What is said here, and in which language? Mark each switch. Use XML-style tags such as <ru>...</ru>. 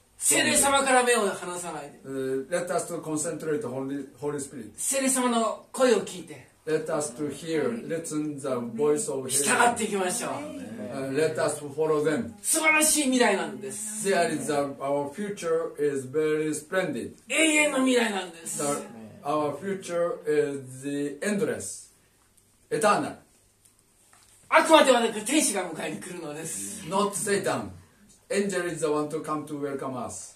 <ja>聖霊様から目を離さないで</ja> <en>Let us to concentrate the Holy Spirit</en> <ja>聖霊様の声を聞いて</ja> <en>Let us to hear, listen the voice of heaven</en> <ja>従っていきましょう</ja> <en>Let us follow them</en> <ja>素晴らしい未来なんです</ja> <en>There is our future is very splendid</en> <ja>永遠の未来なんです</ja> <en>Our future is the endless, eternal</en> <ja>あくまではなく天使が迎えに来るのです</ja> <en>Not Satan, angel is the one to come to welcome us</en>